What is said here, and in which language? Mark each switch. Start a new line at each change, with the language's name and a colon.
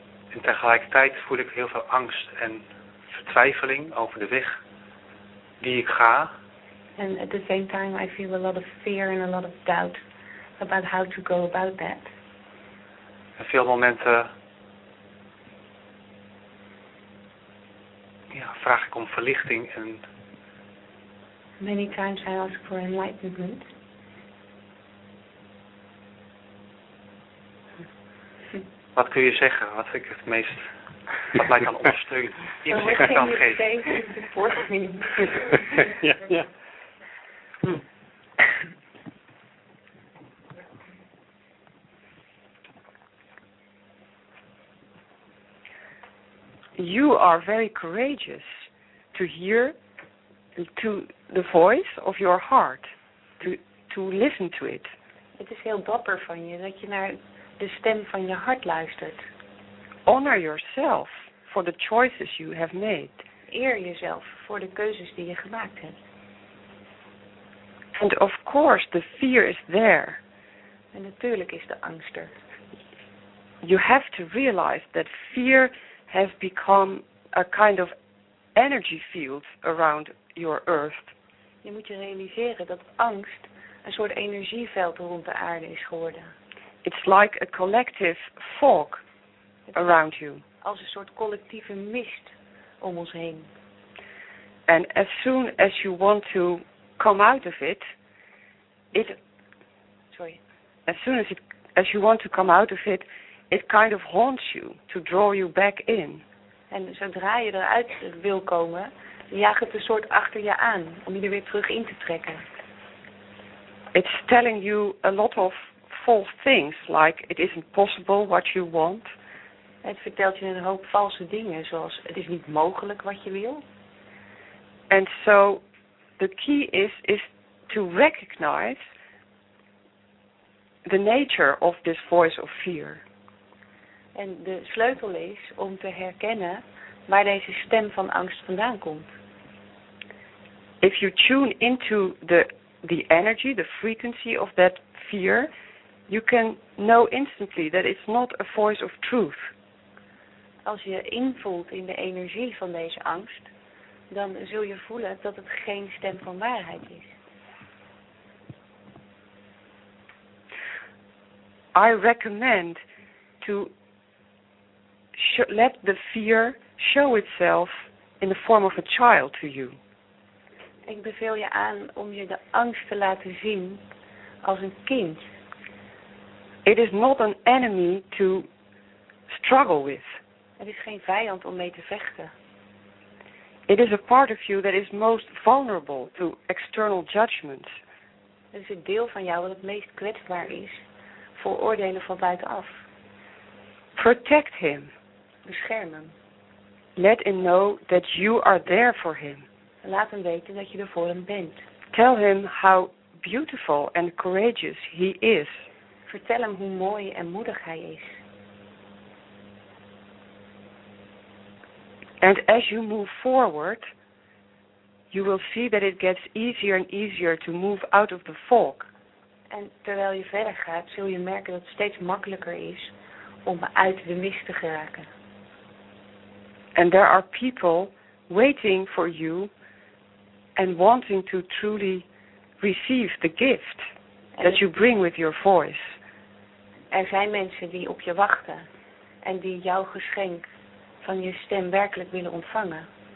Dutch: En tegelijkertijd voel ik heel veel angst en vertwijfeling over de weg die ik ga.
English: And at the same time I feel a lot of fear and a lot of doubt about how to go about that.
Dutch: En veel momenten vraag ik om verlichting en
English: many times I ask for enlightenment.
Dutch: Wat kun je zeggen? Wat vind ik het meest wat mij kan ondersteunen, inzicht kan geven? Ja.
English: You are very courageous to hear to the voice of your heart, to listen to it.
Dutch: Het is heel dapper van je dat je naar de stem van je hart luistert.
English: Honor yourself for the choices you have made.
Dutch: Eer jezelf voor de keuzes die je gemaakt hebt.
English: And of course the fear is there.
Dutch: En natuurlijk is de angst er.
English: you have to realize that fear has become a kind of energy field around your earth.
Dutch: Je moet je realiseren dat angst een soort energieveld rond de aarde is geworden.
English: It's like a collective fog around you.
Dutch: Als een soort collectieve mist om ons heen.
English: And as soon as you want to come out of it, it kind of haunts you to draw you back in.
Dutch: En zodra je eruit wil komen, jaagt het een soort achter je aan om je er weer terug in te trekken.
English: It's telling you a lot of false things, like it isn't possible what you want.
Dutch: Het vertelt je een hoop valse dingen, zoals het is niet mogelijk wat je wil.
English: And so the key is to recognize the nature of this voice of fear.
Dutch: En de sleutel is om te herkennen waar deze stem van angst vandaan komt.
English: If you tune into the energy, the frequency of that fear, you can know instantly that it's not a voice of truth.
Dutch: Als je invoelt in de energie van deze angst, dan zul je voelen dat het geen stem van waarheid is.
English: I recommend to let the fear show itself in the form of a child to you.
Dutch: Ik beveel je aan om je de angst te laten zien als een kind.
English: It is not an enemy to struggle with.
Dutch: Het is geen vijand om mee te vechten.
English: It is a part of you that is most vulnerable to external judgments.
Dutch: Het is een deel van jou dat het meest kwetsbaar is voor oordelen van buitenaf.
English: Protect him.
Dutch: Bescherm hem.
English: Let him know that you are there for him.
Dutch: Laat hem weten dat je er voor hem bent.
English: Tell him how beautiful and courageous he is.
Dutch: Vertel hem hoe mooi en moedig hij is.
English: And as you move forward, you will see that it gets easier and easier to move out of the fog.
Dutch: En terwijl je verder gaat, zul je merken dat het steeds makkelijker is om uit de mist te geraken.
English: And there are people waiting for you and wanting to truly receive the gift that you bring with your voice.
Dutch: Er zijn mensen die op je wachten en die jouw geschenk van je stem werkelijk willen ontvangen.